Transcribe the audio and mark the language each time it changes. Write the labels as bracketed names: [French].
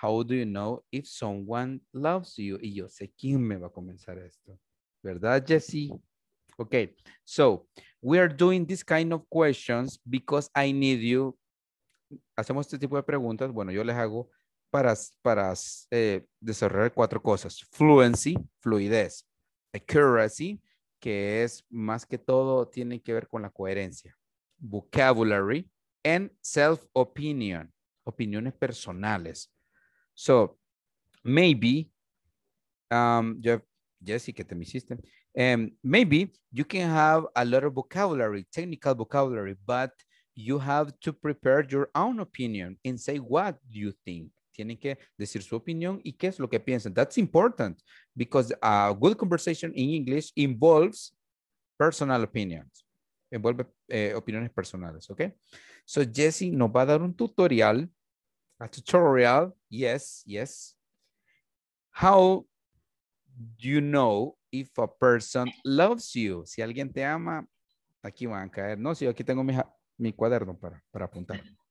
[English] How do you know if someone loves you? [Spanish] Y yo sé quién me va a comenzar esto. ¿Verdad, Jesse? [English] Okay, so we are doing this kind of questions because I need you. [Spanish] Hacemos este tipo de preguntas. Bueno, yo les hago para desarrollar cuatro cosas. Fluency, fluidez. Accuracy, que es más que todo tiene que ver con la coherencia. [English] Vocabulary and self-opinion. [Spanish] Opiniones personales. [English] So, maybe, [Spanish] Jesse, ¿qué te me hiciste? [English] Maybe you can have a lot of vocabulary, technical vocabulary, but you have to prepare your own opinion and say what you think. [Spanish] Tienen que decir su opinión y qué es lo que piensan. [English] That's important because a good conversation in English involves personal opinions. [Spanish] Envuelve opiniones personales, okay? So Jesse nos va a dar un tutorial, [English] a tutorial, yes, yes. How do you know if a person loves you? [Spanish] Si alguien te ama, aquí van a caer. No, si yo aquí tengo mi cuaderno para apuntar.